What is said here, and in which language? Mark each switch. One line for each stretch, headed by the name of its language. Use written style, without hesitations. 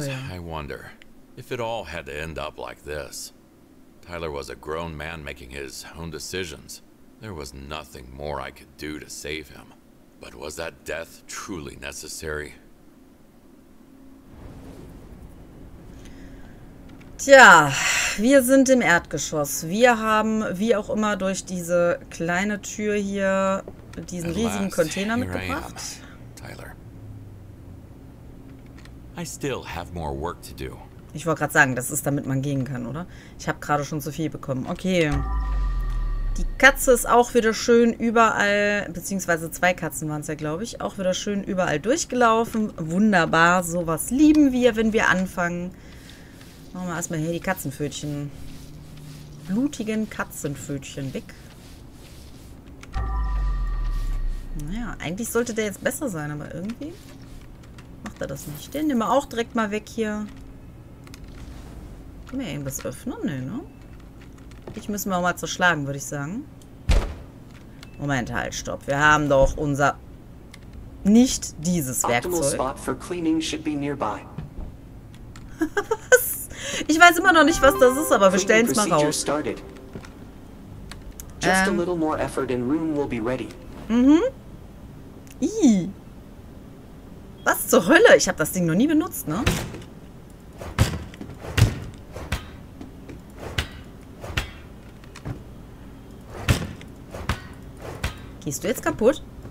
English: Sometimes I wonder if it all had to end up like this. Tyler was a grown man making his own decisions. There was nothing more I could do to save him. But was that death truly necessary?
German: Tja, wir sind im Erdgeschoss. Wir haben, wie auch immer, durch diese kleine Tür hier diesen riesigen Container mitgebracht.
English: Tyler. I still have more work to do.
German: Ich wollte gerade sagen, das ist, damit man gehen kann, oder? Ich habe gerade schon zu viel bekommen. Okay. Die Katze ist auch wieder schön überall, beziehungsweise zwei Katzen waren es ja, glaube ich, auch wieder schön überall durchgelaufen. Wunderbar, sowas lieben wir, wenn wir anfangen. Machen wir erstmal hier die Katzenpfötchen. Blutigen Katzenpfötchen weg. Naja, eigentlich sollte der jetzt besser sein, aber irgendwie macht er das nicht. Den nehmen wir auch direkt mal weg hier. Können wir irgendwas öffnen? Nee, ne? Ich müssen wir auch mal zerschlagen, würde ich sagen. Moment, halt, stopp. Wir haben doch unser... Nicht dieses Werkzeug.
English: Spot for cleaning should be nearby.
German: Was? Ich weiß immer noch nicht, was das ist, aber wir stellen es mal raus.
English: Just a little more effort and room will be ready.
German: Mhm. Ii. Was zur Hölle? Ich habe das Ding noch nie benutzt, ne? Gehst du jetzt kaputt?